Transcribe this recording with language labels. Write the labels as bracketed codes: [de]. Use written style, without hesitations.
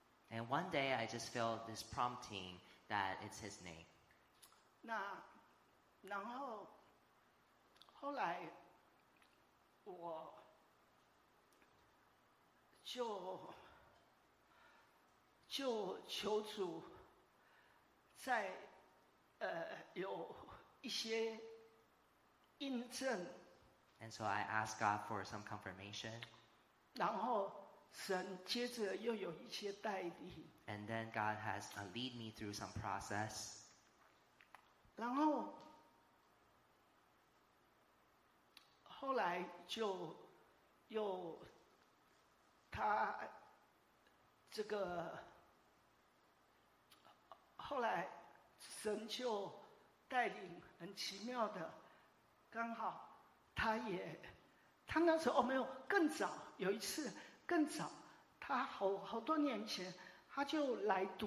[en] And one day I just felt this prompting that it's his name. [zh] 那然后后来我就求主在有一些印证。 [en] And so I asked God for some confirmation. [zh] 然后神接着又有一些带领。 [en] And then God has lead me through some process. [zh] 然后后来就又他这个后来神就带领很奇妙的刚好他那时候没有更早，有一次更早，他好多年前他就来